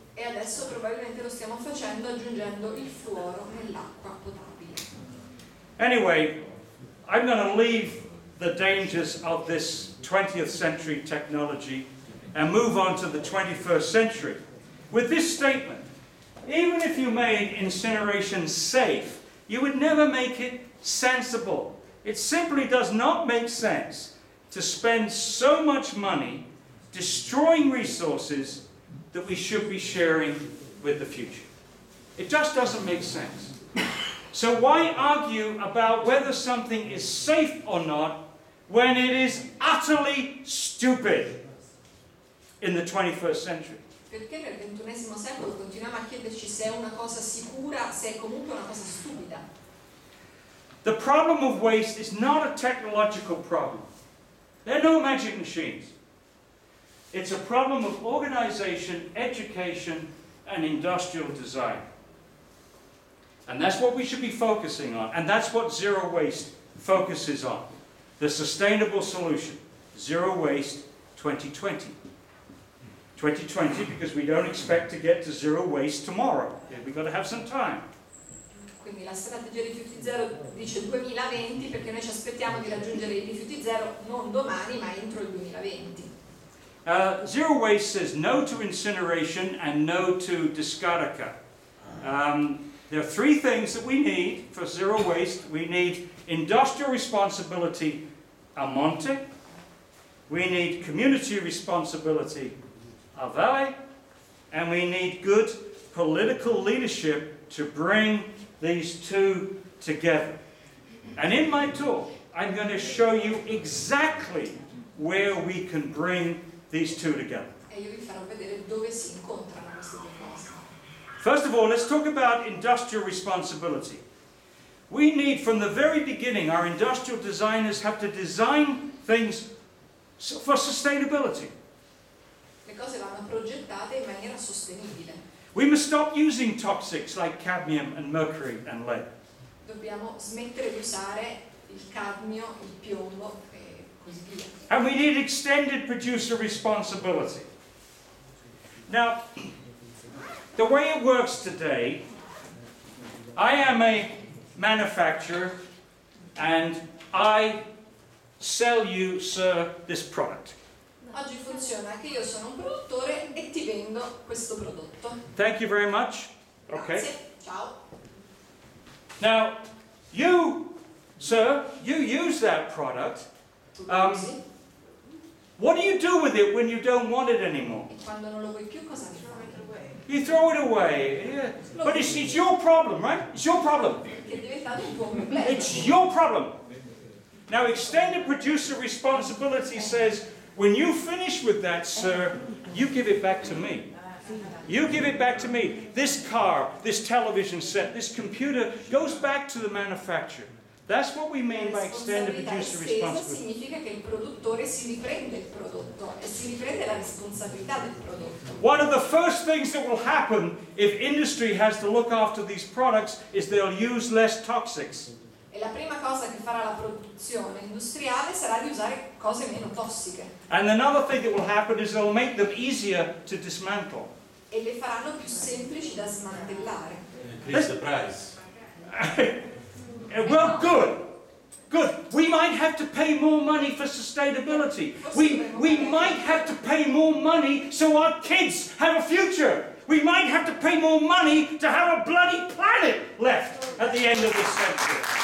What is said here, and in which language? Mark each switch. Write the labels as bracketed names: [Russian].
[Italian] E adesso probabilmente lo stiamo facendo aggiungendo il fluoro nell'acqua potabile. [English] Anyway, I'm going to leave the dangers of this 20th century technology and move on to the 21st century with this statement: even if you made incineration safe, you would never make it sensible. It simply does not make sense to spend so much money destroying resources that we should be sharing with the future. It just doesn't make sense. So why argue about whether something is safe or not when it is utterly stupid in the 21st century? [Italian] Perché nel XXI secolo continuiamo a chiederci se è una cosa sicura, se è comunque una cosa stupida? [English] The problem of waste is not a technological problem. There are no magic machines. It's a problem of organization, education, and industrial design. And that's what we should be focusing on, and that's what zero waste focuses on. The sustainable solution, zero waste 2020. 2020, because we don't expect to get to zero waste tomorrow. We've got to have some time. [Italian] Quindi la strategia rifiuti zero dice 2020, perché noi ci aspettiamo di raggiungere i rifiuti zero non domani, ma entro il 2020. [English] Zero waste says no to incineration and no to discarica. There are three things that we need for zero waste. We need industrial responsibility [Italian] a monte, [English] we need community responsibility [Italian] a valle, [English] and we need good political leadership to bring these two together. And in my talk, I'm going to show you exactly where we can bring these two together. [Italian] E io vi farò vedere dove si incontrano queste due cose. [English] First of all, let's talk about industrial responsibility. We need, from the very beginning, our industrial designers have to design things for sustainability. [Italian] Le cose vanno progettate in maniera sostenibile. [English] We must stop using toxics like cadmium and mercury and lead. [Italian] Dobbiamo smettere di usare il cadmio, il piombo e così via. [English] And we need extended producer responsibility. Now, the way it works today, I am a manufacturer and I sell you, sir, this product. [Italian] Oggi funziona che io sono un produttore e ti vendo questo prodotto. [English] Thank you very much. [Italian] Okay. Grazie. Ciao. [English] Now, you, sir, you use that product. What do you do with it when you don't want it anymore? [Italian] E quando non lo vuoi più, cosa fai? [English] You throw it away. Yeah. But it's your problem, right? It's your problem. It's your problem. Now, extended producer responsibility says, when you finish with that, sir, you give it back to me. You give it back to me. This car, this television set, this computer goes back to the manufacturer. That's what we mean by extended producer responsibility. [Italian] Significa che il produttore si riprende il prodotto e si riprende la responsabilità del prodotto. [English] One of the first things that will happen if industry has to look after these products is they'll use less toxics. [Italian] E la prima cosa che farà la produzione industriale sarà di usare cose meno tossiche. [English] And another thing that will happen is they'll make them easier to dismantle. [Italian] E le faranno più semplici da smantellare. [English] Increase the price. Well, good. Good. We might have to pay more money for sustainability. We might have to pay more money so our kids have a future. We might have to pay more money to have a bloody planet left at the end of this century.